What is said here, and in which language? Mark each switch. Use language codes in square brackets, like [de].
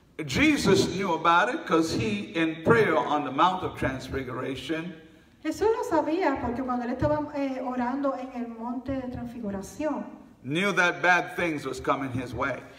[en] Jesus knew about it because he, in prayer on the Mount of Transfiguration, [es] Jesús lo sabía porque cuando él estaba orando en el monte de transfiguración, [en] knew that bad things was coming his way.